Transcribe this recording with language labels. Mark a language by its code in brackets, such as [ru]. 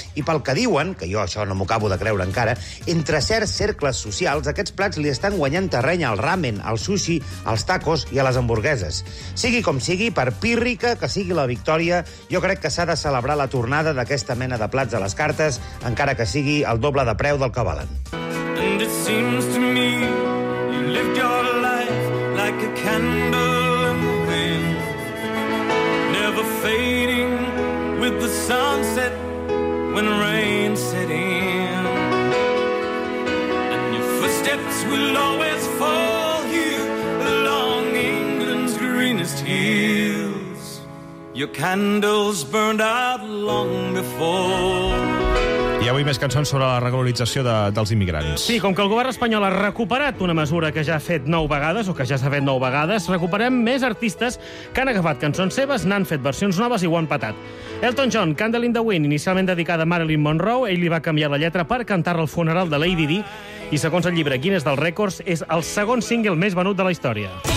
[ca] I pel que diuen, que jo això no m'ho acabo de creure encara, entre certs cercles socials, aquests plats li estan guanyant terreny al ramen, al sushi, als tacos i a les hamburgueses. Sigui com sigui, per pírrica que sigui la victòria, jo crec que s'ha de celebrar la tornada d'aquesta mena de plats a les cartes, encara que sigui el doble de preu del que valen. [en] And it seems to me you lived your life like a candle in the wind, never fading with the sunset when rain set in, and your footsteps will always fall here along England's greenest hill. Your candles burned out long before. [ca] I avui més cançons sobre la regularització dels immigrants. Sí, com que el govern espanyol ha recuperat una mesura que ja ha fet 9 vegades, o que ja s'ha fet 9 vegades, recuperem més artistes que han agafat cançons seves, n'han fet versions noves i ho han petat. Elton John, Candle in the Wind, inicialment dedicada a Marilyn Monroe, ell li va canviar la lletra per cantar-la al funeral de Lady Di, i segons el llibre Guinness dels Rècords, és el segon single més venut de la història.